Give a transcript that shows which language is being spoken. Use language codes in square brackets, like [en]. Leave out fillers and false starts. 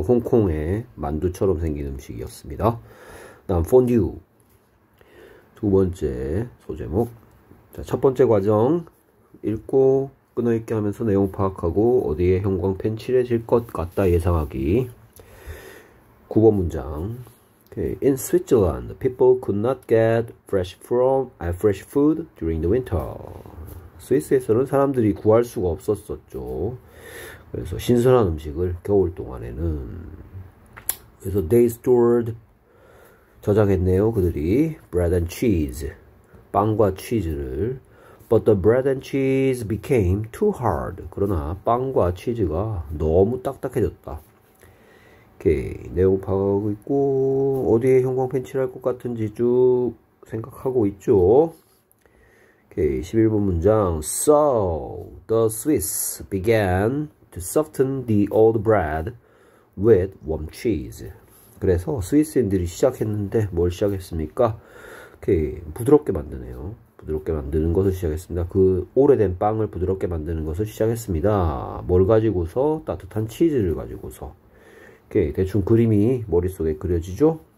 [ko] 홍콩의 만두처럼 생긴 음식이었습니다. 다음, 폰듀. 두 번째 소제목. 자, 첫 번째 과정. 읽고 끊어읽기 하면서 내용 파악하고 어디에 형광펜 칠해질 것 같다 예상하기. 9번 문장. Okay. [en] In Switzerland, people could not get fresh food during the winter. [ko] 스위스에서는 사람들이 구할 수가 없었었죠. 그래서 신선한 음식을 겨울 동안에는. 그래서 [en] they stored, [ko] 저장했네요, 그들이. [en] Bread and cheese. [ko] 빵과 치즈를. [en] But the bread and cheese became too hard. [ko] 그러나 빵과 치즈가 너무 딱딱해졌다. 오케이. 내용 파악하고 있고, 어디에 형광펜 칠할 것 같은지 쭉 생각하고 있죠. 오케이. 11번 문장. [en] So, the Swiss began to soften the old bread with warm cheese. [ko] 그래서 스위스인들이 시작했는데, 뭘 시작했습니까? 오케이. 부드럽게 만드네요. 부드럽게 만드는 것을 시작했습니다. 그 오래된 빵을 부드럽게 만드는 것을 시작했습니다. 뭘 가지고서? 따뜻한 치즈를 가지고서. 오케이, 대충 그림이 머릿속에 그려지죠?